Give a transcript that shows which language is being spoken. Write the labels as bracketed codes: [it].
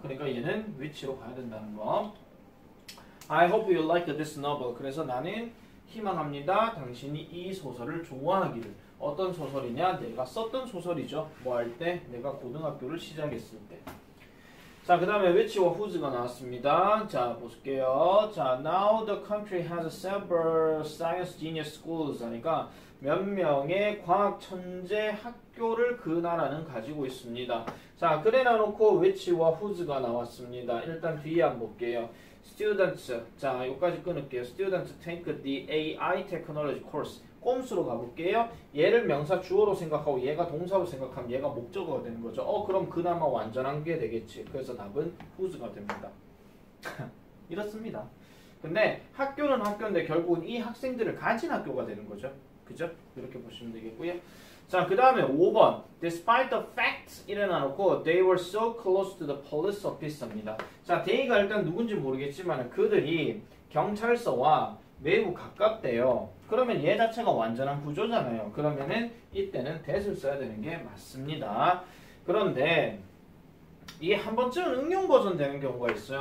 [ko] 그러니까 얘는 위치로 가야 된다는 거. [en] I hope you like this novel. [ko] 그래서 나는 희망합니다. 당신이 이 소설을 좋아하기를. 어떤 소설이냐? 내가 썼던 소설이죠. 뭐할 때? 내가 고등학교를 시작했을 때. 자, 그 다음에 which와 whose가 나왔습니다. 자, 보실게요. [en] 자, now the country has several science genius schools. [ko] 하니까 몇 명의 과학 천재 학교를 그 나라는 가지고 있습니다. 자, 그래 놔놓고 which와 whose가 나왔습니다. 일단 뒤에 한번 볼게요. students. 자, 여기까지 끊을게요. [en] students take the AI technology course. [ko] 꼼수로 가볼게요. 얘를 명사 주어로 생각하고 얘가 동사로 생각하면 얘가 목적어가 되는 거죠. 그럼 그나마 완전한 게 되겠지. 그래서 답은 whose가 됩니다. 이렇습니다. 근데 학교는 학교인데 결국은 이 학생들을 가진 학교가 되는 거죠. 그죠? 이렇게 보시면 되겠고요. 자, 그 다음에 5번. [en] Despite the facts [ko] 이래놔놓고 [en] they were so close to the police officer입니다. [ko] 자, they가 일단 누군지 모르겠지만 그들이 경찰서와 매우 가깝대요. 그러면 얘 자체가 완전한 구조잖아요. 그러면은 이때는 that을 써야 되는 게 맞습니다. 그런데 이게 한 번쯤 응용 버전 되는 경우가 있어요.